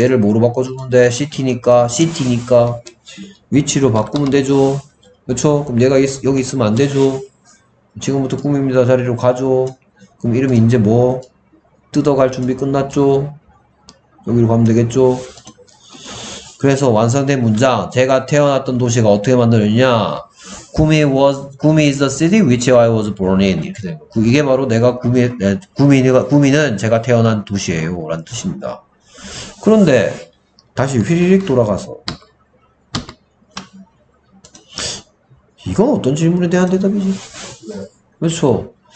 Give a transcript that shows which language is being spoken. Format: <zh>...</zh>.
<ko>얘를 뭐로 바꿔주는데? 시티니까, 시티니까. 위치로 바꾸면 되죠? 그렇죠? 그럼 얘가 여기 있으면 안 되죠? 지금부터 꿈입니다. 자리로 가죠? 그럼 이름이 이제 뭐? 뜯어갈 준비 끝났죠? 여기로 가면 되겠죠? 그래서 완성된 문장, 제가 태어났던 도시가 어떻게 만들어졌냐?</ko> <en>Gumi is the city which I was born in.</en> <ko>이렇게 된 거. 이게 바로 내가 구미는 제가 태어난 도시예요. 라는 뜻입니다. 그런데 다시 휘리릭 돌아가서 이건 어떤 질문에 대한 대답이지? 그렇죠?</ko>